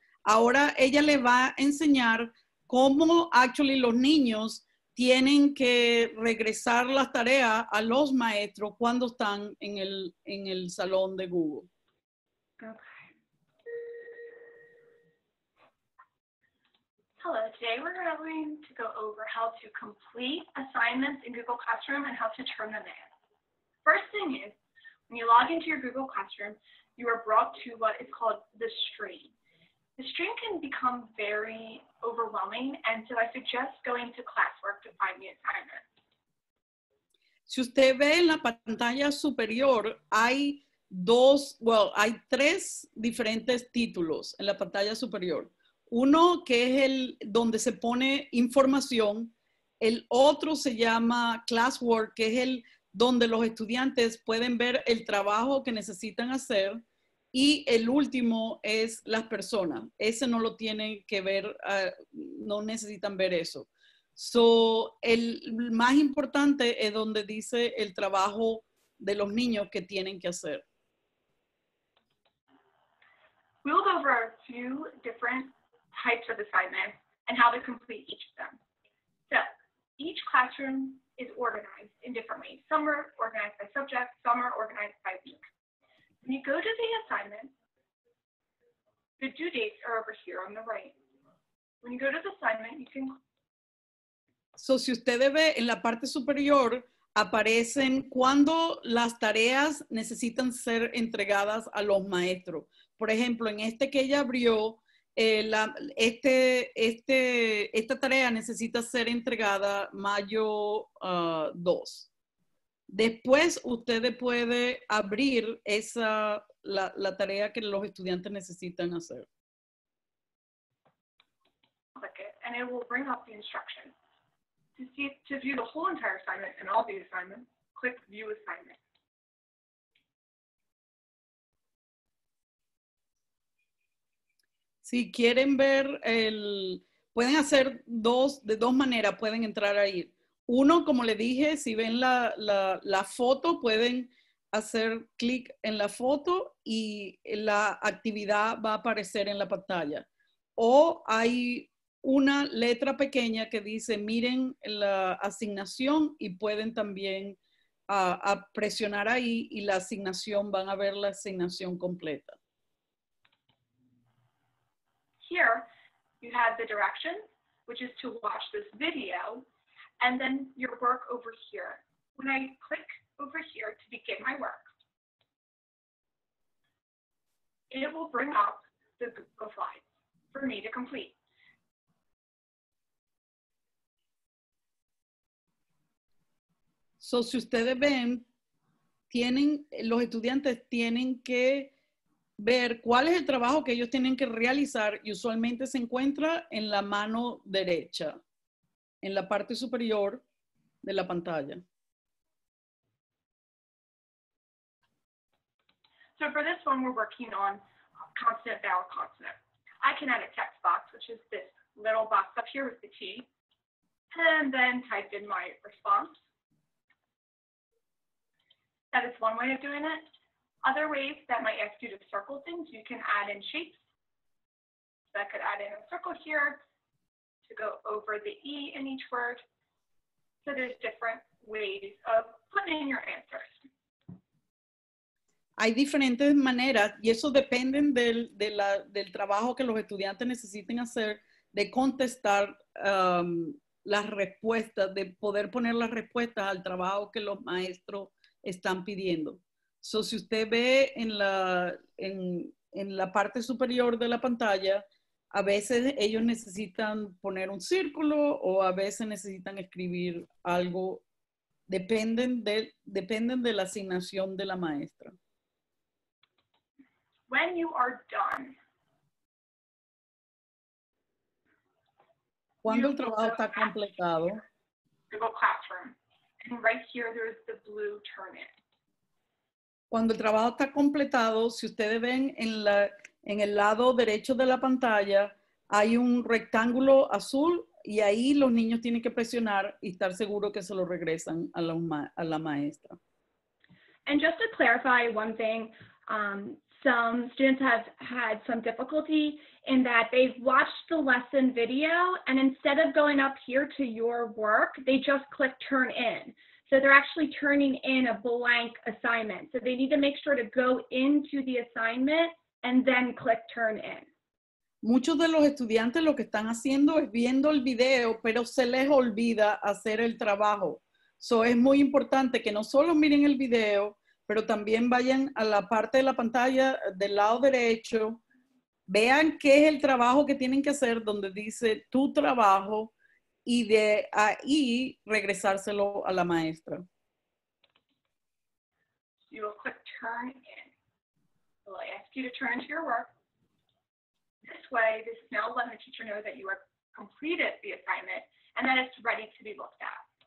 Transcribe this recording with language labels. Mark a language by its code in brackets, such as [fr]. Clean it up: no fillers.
[es] Ahora ella le va a enseñar cómo [en] actually [es] los niños tienen que regresar las tareas a los maestros cuando están en el salón de Google. [en] Okay. Hello, today we're going to go over how to complete assignments in Google Classroom and how to turn them in. First thing is, when you log into your Google Classroom, you are brought to what is called the stream. The stream can become very overwhelming, and so I suggest going to classwork to find the assignment. [es] Si usted ve en la pantalla superior, hay dos, [en] well, [es] hay tres diferentes títulos en la pantalla superior. Uno que es el donde se pone información, el otro se llama classwork, que es el donde los estudiantes pueden ver el trabajo que necesitan hacer, y el último es las personas. Ese no lo tienen que ver, no necesitan ver eso. [en] So, [es] el más importante es donde dice el trabajo de los niños que tienen que hacer. [en] We'll go over a few different types of assignments and how to complete each of them. So each classroom is organized in different ways. Some are organized by subject, some are organized by week. When you go to the assignment, the due dates are over here on the right. When you go to the assignment, you can... So [es] si usted ve en la parte superior, aparecen cuando las tareas necesitan ser entregadas a los maestros. Por ejemplo, en este que ella abrió, esta tarea necesita ser entregada mayo 2. Después usted puede abrir esa la tarea que los estudiantes necesitan hacer. [en] Click it, and it will bring up the instructions. To view the whole entire assignment and all the assignments, click View Assignment. [es] Si quieren ver pueden hacer de dos maneras, pueden entrar ahí. Uno, como le dije, si ven la foto, pueden hacer clic en la foto y la actividad va a aparecer en la pantalla. O hay una letra pequeña que dice, miren la asignación y pueden también a presionar ahí y la asignación, van a ver la asignación completa. [en] Here, you have the directions, which is to watch this video, and then your work over here. When I click over here to begin my work, it will bring up the Google Slides for me to complete. So, [es] si ustedes ven, los estudiantes tienen que ver cuál es el trabajo que ellos tienen que realizar y usualmente se encuentra en la mano derecha, en la parte superior de la pantalla. [en] So for this one, we're working on consonant, vowel, consonant. I can add a text box, which is this little box up here with the T, and then type in my response. That is one way of doing it. Other ways that might ask you to circle things, you can add in shapes. So I could add in a circle here to go over the E in each word. So there's different ways of putting in your answers. [es] Hay diferentes maneras, y eso depende del trabajo que los estudiantes necesiten hacer, de contestar las respuestas, de poder poner las respuestas al trabajo que los maestros están pidiendo. [en] So, [es] si usted ve en la parte superior de la pantalla, a veces ellos necesitan poner un círculo o a veces necesitan escribir algo. Dependen de la asignación de la maestra. [en] When you are done, [es] Cuando el trabajo está completado. [en] Google Classroom. And right here there's the blue turn it. [es] Cuando el trabajo está completado, si ustedes ven en la en el lado derecho de la pantalla, hay un rectángulo azul y ahí los niños tienen que presionar y estar seguro que se lo regresan a la maestra. [en] And just to clarify one thing, some students have had some difficulty in that they've watched the lesson video and instead of going up here to your work, they just click turn in. So they're actually turning in a blank assignment. So they need to make sure to go into the assignment and then click turn in. [es] Muchos de los estudiantes lo que están haciendo es viendo el video, pero se les olvida hacer el trabajo. [en] So [es] es muy importante que no solo miren el video, pero también vayan a la parte de la pantalla del lado derecho, vean qué es el trabajo que tienen que hacer donde dice tu trabajo y de ahí regresárselo a la maestra. [en] You will click turn in. Will I ask you to turn to your work? This way, this is now letting the teacher know that you have completed the assignment and that it's ready to be looked at.